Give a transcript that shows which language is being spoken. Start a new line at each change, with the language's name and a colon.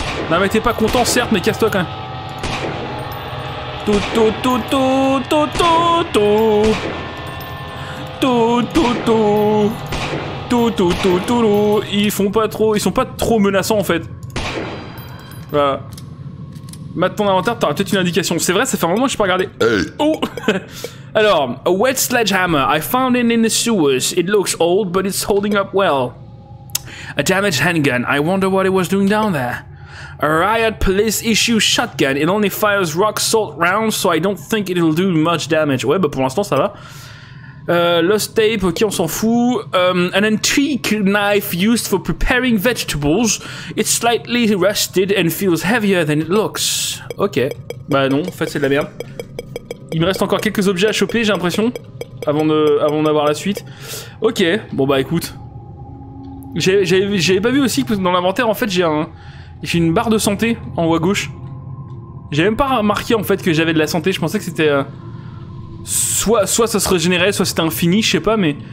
French: Non mais t'es pas content, certes, mais casse-toi quand même. Tout, tout, tout, tout, tout, tout. Tout, tout, tout. tout, tout, tout, tout, tout. Ils font pas trop, ils sont pas trop menaçants en fait. Voilà. Matt, ton inventaire, t'auras peut-être une indication. C'est vrai, ça fait un moment que je peux regarder. Hey.
English: Oh.
French: Alors,
English: a wet sledgehammer. I found it in the sewers. It looks old, but it's holding up well. A damaged handgun. I wonder what it was doing down there. A riot police issue shotgun. It only fires rock salt rounds, so I don't think it'll do much damage.
French: Ouais, bah pour l'instant, ça va.
English: Lost tape,
French: ok, on s'en fout.
English: An antique knife used for preparing vegetables. It's slightly rusted and feels heavier than it looks. Ok.
French: Bah non, en fait, c'est de la merde. Il me reste encore quelques objets à choper, j'ai l'impression. Avant d'avoir la suite. Ok, bon bah écoute. J'avais pas vu aussi que dans l'inventaire, en fait, j'ai une barre de santé en haut à gauche. J'avais même pas remarqué, en fait, que j'avais de la santé. Je pensais que c'était... Soit ça se régénérait, soit c'était infini, je sais pas, mais...